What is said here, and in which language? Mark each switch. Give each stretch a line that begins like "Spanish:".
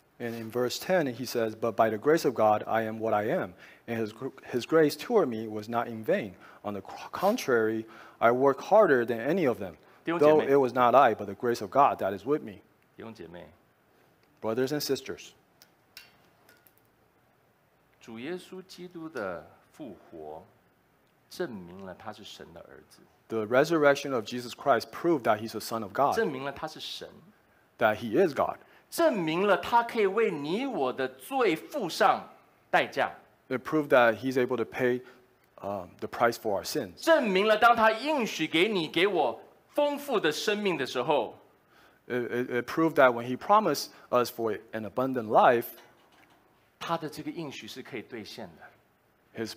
English: And in verse 10, he says, But by the grace of God, I am what I am, and his grace toward me was not in vain. On the contrary, I work harder than any of them, though it was not I, but the grace of God that is with me.
Chinese: 弟兄姐妹,
English: Brothers and sisters,
Chinese: 主耶稣基督的复活证明了他是神的儿子,
English: the resurrection of Jesus Christ proved that he's a son of God,
Chinese: 证明了他是神,
English: that he is God.
Chinese: 证明了他可以为你我的罪付上代价。It
English: proved that he's able to pay the price for our sins.
Chinese: 证明了当他应许给你给我丰富的生命的时候，
English: it proved that when he promised us for an abundant life,
Chinese: 他的这个应许是可以兑现的。His